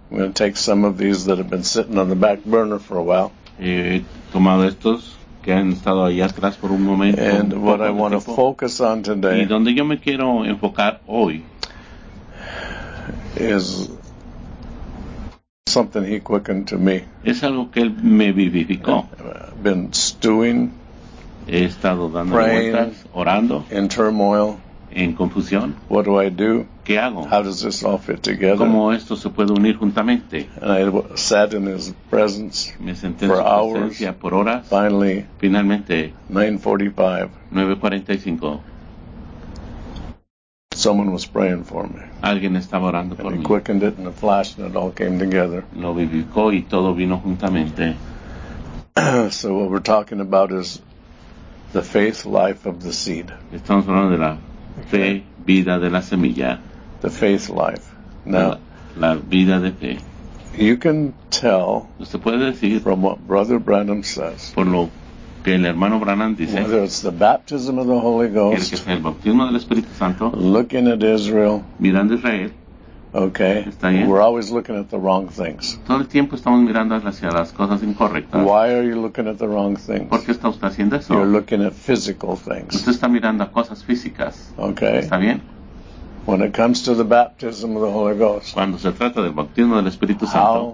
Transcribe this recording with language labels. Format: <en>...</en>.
<en>I'm going to take some of these that have been sitting on the back burner for a while.</en> <es>He tomado estos que han estado ahí atrás por un momento.</es> <en>And</en> <es>un</es> <en>what I want to focus on today.</en> <es>Y donde yo me quiero enfocar hoy.</es> <en>Is something he quickened to me.</en> <es>Es algo que él me vivificó.</es> <en>Been stewing.</en> <es>He estado dando</es> <en>praying,</en> <es>vueltas, orando.</es> <en>In turmoil.</en> <es>En confusión.</es> <en>What do I do?</en> <es>¿Qué hago?</es> <en>How does this all fit together?</en> <es>¿Cómo esto se puede unir juntamente?</es> <en>And I sat in his presence</en> <es>me senté</es> <en>for</en> <es>en su</es> <en>hours.</en> <es>Por horas.</es> <en>Finally.</en> <es>Finalmente.</es> <en>9:45. Someone was praying for me.</en> <es>Alguien estaba orando</es> <en>and</en> <es>por</es> <en>he</en> <es>mí.</es> <en>Quickened it in a flash and it all came together.</en> <es>Lo vivificó y todo vino juntamente.</es> <en>So what we're talking about is the faith life of the seed.</en> <es>Estamos hablando de la fe, vida de la semilla.</es> <en>The faith life. Now,</en> <es>la vida de fe.</es> <en>You can tell</en> <es>usted puede decir</es> <en>from what Brother Branham says.</en> <es>Por lo que el hermano Branham dice,</es> <en>whether it's the baptism of the Holy Ghost,</en> <es>que el bautismo del Espíritu Santo,</es> <en>looking at Israel,</en> <es>mirando Israel,</es> <en>okay,</en> <es>está bien.</es> <en>We're always looking at the wrong things.</en> <es>Todo el tiempo estamos mirando hacia las cosas incorrectas.</es> <en>Why are you looking at the wrong things?</en> <es>¿Por qué está usted haciendo eso?</es> <en>You're looking at physical things.</en> <es>Usted está mirando a cosas físicas.</es> <en>Okay.</en> <es>¿Está bien?</es> <en>When it comes to the baptism of the Holy Ghost,</en> <es>cuando se trata del bautismo del Espíritu Santo,</es>